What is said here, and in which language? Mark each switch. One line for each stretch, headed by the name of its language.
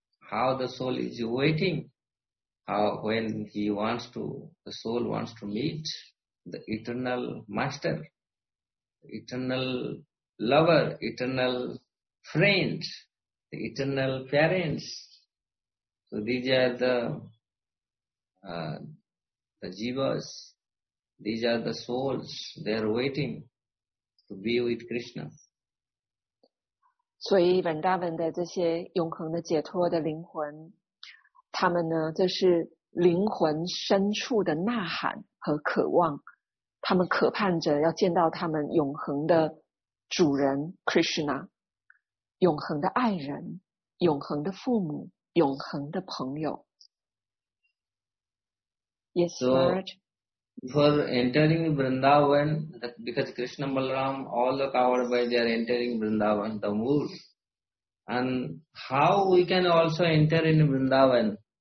English: How the soul is waiting? When he wants to, the soul wants to meet the eternal master, eternal lover, eternal friend, the eternal parents. So these are the jivas, these are the souls, they are waiting to be with Krishna.
Chinese: 所以文达文的这些永恒的解脱的灵魂他们呢，这是灵魂深处的呐喊和渴望，他们渴盼着要见到他们永恒的主人 Krishna， 永恒的爱人，永恒的父母，永恒的朋友。
English: Yes, so, before entering Vrindavan, because Krishna Balaram, all the covered by they are entering Vrindavan, the mood. And how we can also enter in Vrindavan?